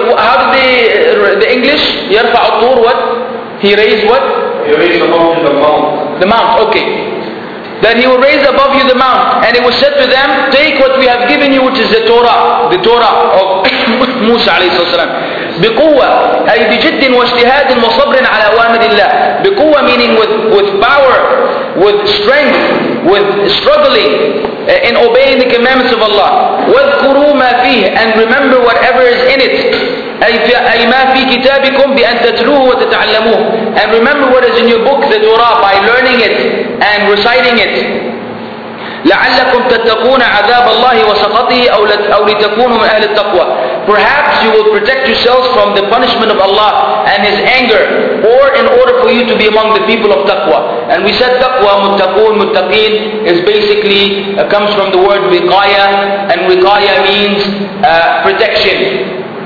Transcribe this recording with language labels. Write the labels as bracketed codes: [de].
[en] How did the English [ar] يرفع الطور, [en] what he raised, what he raised above you the mount. The mount, okay. That he will raise above you the mount, and it was said to them, take what we have given you, which is the Torah of Musa عليه الصلاة والسلام. [ar] بقوة أي بجد واجتهاد وصبر على أوامر الله. [en] بقوة meaning with power, with strength, with struggling in obeying the commandments of Allah. [ar] واذكروا ما فيه, [en] and remember whatever is in it. [ar] أي ما في كتابكم بأن تتلوه وتتعلموه, [en] and remember what is in your book, the Torah, by learning it and reciting it. [ar] لعلكم تتقون عذاب الله وسخطه أو لتكونوا من أهل التقوى. [en] Perhaps you will protect yourselves from the punishment of Allah and His anger, or in order for you to be among the people of taqwa. And we said taqwa, muttaqoon, muttaqeen, is basically, comes from the word wiqaya, and wiqaya means protection.